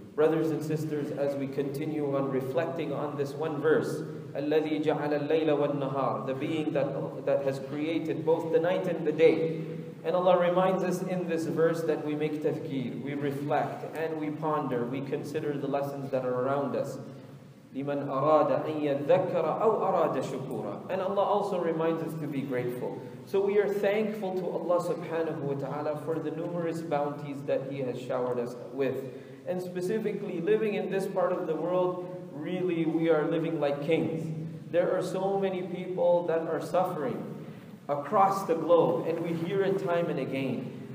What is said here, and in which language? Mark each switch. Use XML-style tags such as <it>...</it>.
<en>Brothers and sisters, as we continue on reflecting on this one verse,</en> <ar>الَّذِي جَعَلَ اللَّيْلَ وَالنَّهَارِ,</ar> <en>the being that has created both the night and the day. And Allah reminds us in this verse that we make tafkir, we reflect and we ponder, we consider the lessons that are around us.</en> <ar>لِمَنْ أَرَادَ أَنْ يَذَّكَّرَ أَوْ أَرَادَ شُكُورًا.</ar> <en>And Allah also reminds us to be grateful. So we are thankful to Allah subhanahu wa ta'ala for the numerous bounties that He has showered us with. And specifically, living in this part of the world, really, we are living like kings. There are so many people that are suffering across the globe, and we hear it time and again.</en>